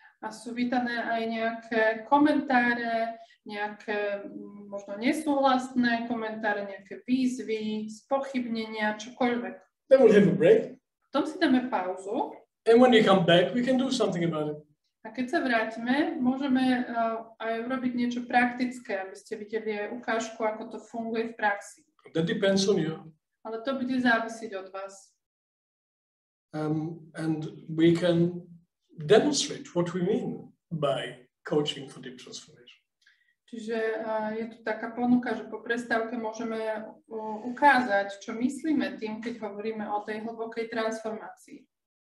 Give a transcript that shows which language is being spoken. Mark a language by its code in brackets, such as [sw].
[sk] A sú vítané aj nejaké komentáre, nejaké možno nesúhlasné komentáre, nejaké výzvy, spochybnenia, čokoľvek. [en] Then we'll have a break. [sk] Potom si dáme pauzu. [en] And when you come back, we can do something about it. [sk] A keď sa vrátime, môžeme aj urobiť niečo praktické, aby ste videli aj ukážku, ako to funguje v praxi. [en] That depends on you. [sk] Ale to bude závisieť od vás. [en] And we can demonstrate what we mean by coaching for deep transformation. [sk] Čiže je tu taká ponuka, že po prestávke môžeme ukázať, čo myslíme tým, keď hovoríme o tej hlbokej transformácii.